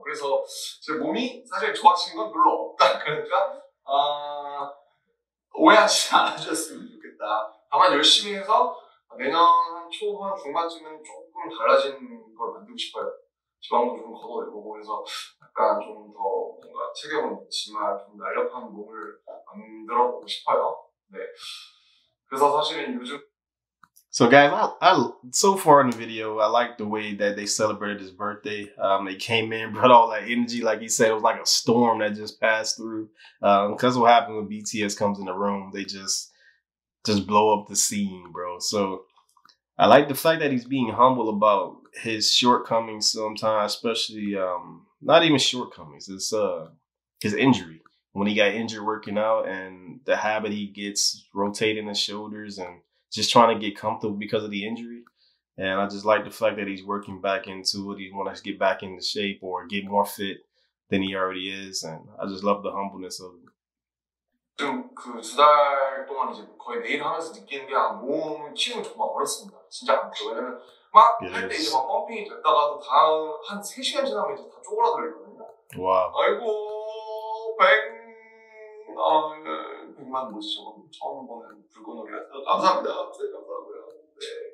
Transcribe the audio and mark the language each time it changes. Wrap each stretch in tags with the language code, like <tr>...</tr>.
<ko>그래서 제 몸이 사실 좋아진 건 별로 없다. 그러니까 오해하지 않으셨으면 좋겠다. 다만 열심히 해서 내년 초반 중반쯤은 조금 달라진 걸 만들고 싶어요. 지방도 좀 걷어내보고 해서 약간 좀 더 뭔가 체격은 있지만 좀 날렵한 몸을 만들어보고 싶어요. 네. 그래서 사실은 요즘</ko> <en>So guys, I so far in the video, I like the way that they celebrated his birthday. They came in, brought all that energy, like he said, it was like a storm that just passed through. Because what happened when BTS comes in the room, they just blow up the scene, bro. So I like the fact that he's being humble about his shortcomings sometimes, especially not even shortcomings, it's his injury. When he got injured working out and the habit he gets rotating his shoulders and just trying to get comfortable because of the injury. And I just like the fact that he's working back into it. He wants to get back into shape or get more fit than he already is. And I just love the humbleness of it.</en> <ko>좀 그 두 달 동안 이제 거의 매일 하면서 느끼는 게 아, 몸 치우는 정말 어렵습니다. 진짜 안 좋아요. 왜냐면 막 할 때 이제 막 펌핑이 됐다가도 다음 한 3시간 지나면 이제 다 쪼그라들어 있거든요. 와. 아이고, 100만 뭐지 저건 처음 보는 불꽃놀이가 감사합니다. 네, 감사하고요. 네.</ko>